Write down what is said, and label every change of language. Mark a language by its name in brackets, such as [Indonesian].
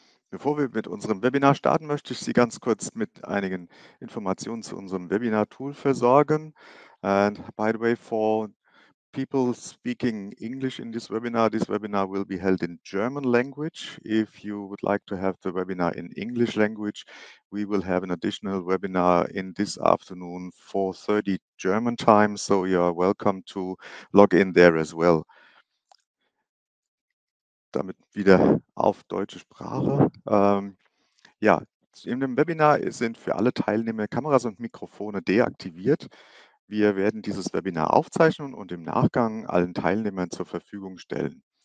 [German] Bevor wir mit unserem Webinar starten, möchte ich Sie ganz kurz mit einigen Informationen zu unserem Webinar-Tool versorgen. [English] And by the way, for people speaking English in this webinar will be held in German language. If you would like to have the webinar in English language, we will have an additional webinar in this afternoon 4:30 German time. So you are welcome to log in there as well. [German] Damit wieder auf deutsche Sprache. Ja, in dem Webinar sind für alle Teilnehmer Kameras und Mikrofone deaktiviert. Wir werden dieses Webinar aufzeichnen und im Nachgang allen Teilnehmern zur Verfügung stellen.